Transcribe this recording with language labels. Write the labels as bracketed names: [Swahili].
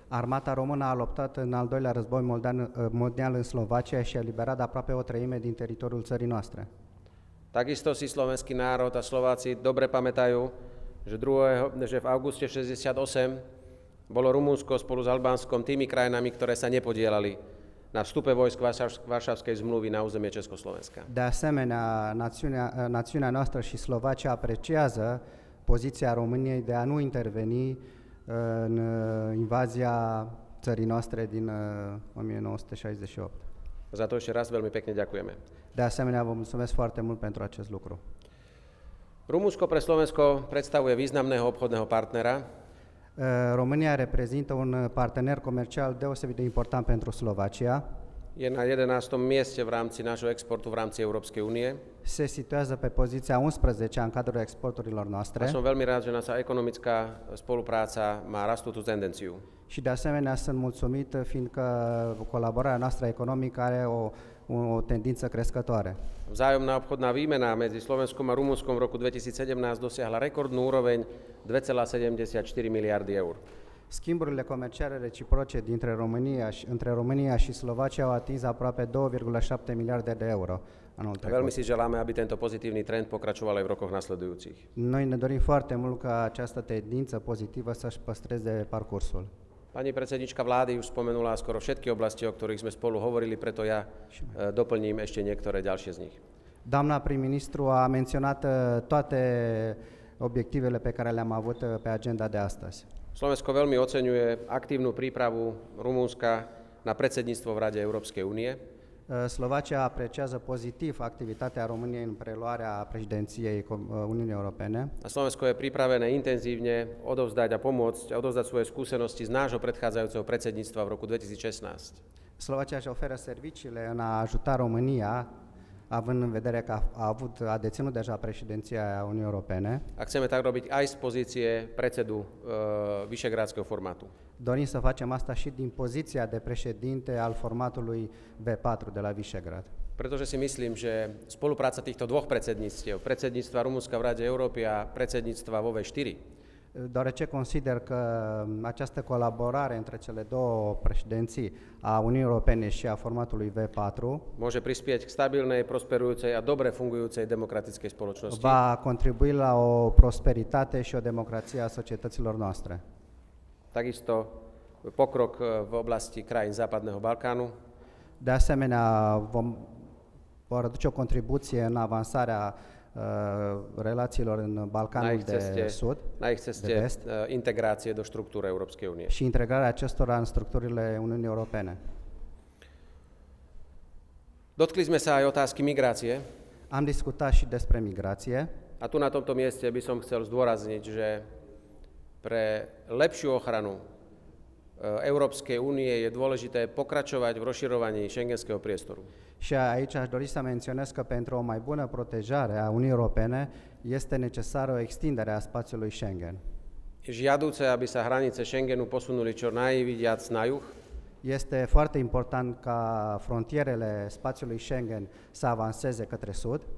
[Romanian] Armata română a luptat în al doilea război mondial în Slovacia și a eliberat aproape o treime din teritoriul țării noastre. [Slovak] Takisto si slovenský národ a Slováci dobre pamätajú, že v auguste 68 bolo Rumunsko spolu s Albánskom tými krajinami, ktoré sa nepodielali na vstupe vojsk Varšavskej zmluvy na územie Československa. [Romanian] De asemenea, națiunea noastră și Slovacia apreciază poziția României de a nu interveni în invazia țării noastre din 1968. [Slovak] Za to ešte raz veľmi pekne ďakujeme. [Romanian] De asemenea, vă mulțumesc foarte mult pentru acest lucru. [Slovak] Rumunsko pre Slovensko predstavuje významného obchodného partnera. [Romanian] România reprezintă un partener comercial deosebit de important pentru Slovacia. [Slovak] Je na 11. mieste v rámci nášho exportu v rámci Európskej únie. [Romanian] Se situează pe poziția 11 în cadrul exporturilor noastre. [Slovak] A som veľmi rád, že naša ekonomická spolupráca má rastutú tendenciu. [Romanian] Și de asemenea sunt mulțumit, fiindcă colaborarea noastră economică are o tendință crescătoare. [Slovak] Vzájomná obchodná výmena medzi Slovenskom a Rumunskom v roku 2017 dosiahla rekordnú úroveň 2,74 miliardy eur. [Romanian] Schimburile comerciale reciproce între România și Slovacia au atins aproape 2,7 miliarde de euro anul trecut. [Slovak] Veľmi si želáme, aby tento pozitívny trend pokračoval aj v rokoch nasledujúcich. [Romanian] Noi ne dorim foarte mult ca această tendință pozitivă să-și păstreze parcursul. [Slovak] Pani predsednička vlády už spomenula skoro všetky oblasti, o ktorých sme spolu hovorili, preto ja doplním ešte niektoré ďalšie z nich. [Romanian] Doamna prim-ministru a menționat toate obiectivele pe care le-am avut pe agenda de astăzi. [Slovak] Slovensko veľmi oceňuje aktívnu prípravu Rumunska na predsedníctvo v Rade Európskej únie. [Romanian] Slovacia apreciază pozitív activitatea României în preluarea președinției Uniunii Europene. [Slovak] A Slovensko je pripravené intenzívne odovzdať a pomôcť a odovzdať svoje skúsenosti z nášho predchádzajúceho predsedníctva v roku 2016. [Romanian] Slovacia își oferă serviciile în a ajuta România, având în vedere că a deținut deja președinția Uniunii Europene. [Slovak] A chceme tak robiť aj z pozície predsedu Vyšegrádskeho formátu. [Romanian] Dorim să facem asta și din poziția de președinte al formatului B4 de la Vyšegrád. [Slovak] Pretože si myslím, že spolupráca týchto dvoch predsedníctiev, predsedníctva Rumunska v Rade Európy a predsedníctva vo V4. [Romanian] Deoarece consider că această colaborare între cele două președinții a Uniunii Europene și a formatului V4 [Slovak] môže prispieť k stabilnej, prosperujúcej a dobre fungujúcej demokratickej spoločnosti. [Romanian] Va contribui la o prosperitate și o democrație a societăților noastre. [Slovak] Takisto pokrok v oblasti krajín Západného Balkánu. [Romanian] De asemenea, vor aduce o contribuție în avansarea relațiilor în Balcanul de Sud, [Slovak] na ich ceste [Romanian] de vest, integrație [Slovak] do structură Európskej únie. [Romanian] Și integrarea acestora în structurile Uniunii Europene. [Slovak] Dotkli sme sa aj otázky migrácie. [Romanian] Am discutat și despre migrație. [Slovak] A tu na tomto mieste by som chcel zdôrazniť, že pre lepšiu ochranu Európskej únie je dôležité pokračovať v rozširovaní šengenského priestoru. [Romanian] Și aici aș dori să menționez că pentru o mai bună protejare a Uniunii Europene este necesară o extindere a spațiului Schengen. [Slovak] Žiaduce, aby sa hranice Schengenu posunuli čo najviac na juh. [Romanian] Este foarte important ca frontierele spațiului Schengen să avanseze către sud.